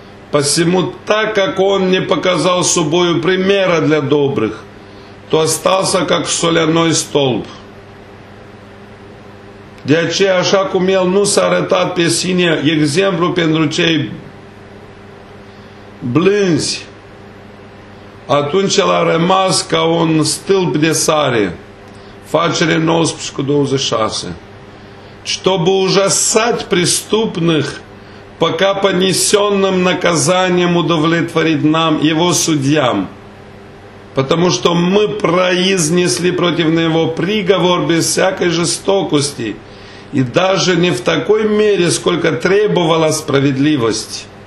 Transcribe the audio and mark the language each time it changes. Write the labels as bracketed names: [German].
[Russian] Посему так, как он не показал собою примера для добрых, то остался как соляной столб. [Romanian] De aceea, așa cum el nu s-a arătat pe sine exemplu pentru cei blânzi, atunci el a rămas ca un stâlp de sare. Facere 19:26. [Russian] Чтобы ужасать преступных, пока понесенным наказанием удовлетворит нам, его судьям, потому что мы произнесли против него приговор без всякой жестокости и даже не в такой мере, сколько требовала справедливость.